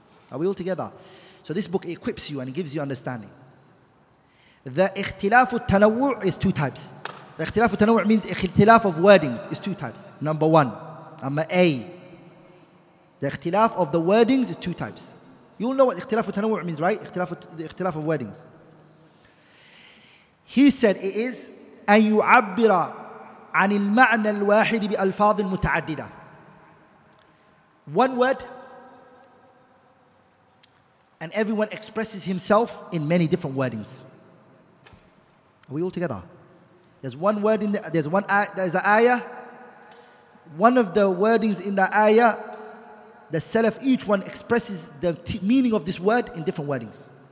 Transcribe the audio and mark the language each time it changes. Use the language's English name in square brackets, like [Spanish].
[English] Are we all together? So this book equips you and gives you understanding. The اختلاف التنوع is two types. The اختلاف التنوع means اختلاف of wordings is two types. Number one, number A. The اختلاف of the wordings is two types. You all know what اختلاف التنوع means, right? اختلاف of wordings. He said it is [Arabic] أن يعبر عن المعنى الواحد بألفاظ متعددة. [English] One word, and everyone expresses himself in many different wordings. Are we all together? There's an ayah. One of the wordings in the ayah, the Salaf, each one expresses the meaning of this word in different wordings.